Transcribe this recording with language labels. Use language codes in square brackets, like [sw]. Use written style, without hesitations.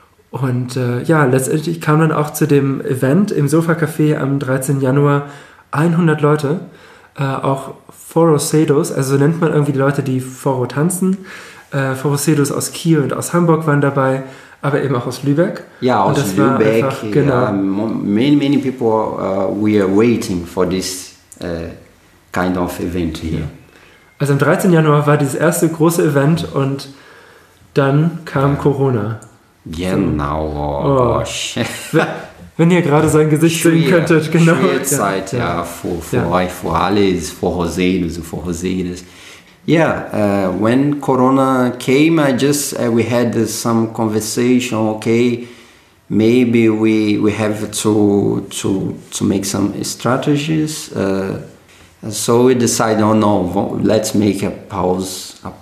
[de] Und ja, letztendlich kam dann auch zu dem Event im Sofa-Café am 13. Januar 100 Leute, auch Forrozeiros, also so nennt man irgendwie die Leute, die Forró tanzen. Forrozeiros aus Kiel und aus Hamburg waren dabei, aber eben auch aus Lübeck. Ja, aus Lübeck. War einfach, genau. [en] Many, many people were waiting for this kind of event here. [de] Also am 13. Januar war dieses erste große Event und dann kam Corona. Genau. Oh. Wenn ihr gerade sein Gesicht sehen könntet. Genau. Schwierige Zeit, ja. Für euch, für alles, für Rosenes, für Rosenes. [en] Yeah, when Corona came, I just we had some conversation. Okay, maybe we have to make some strategies. So we decided, oh no, let's make a pause.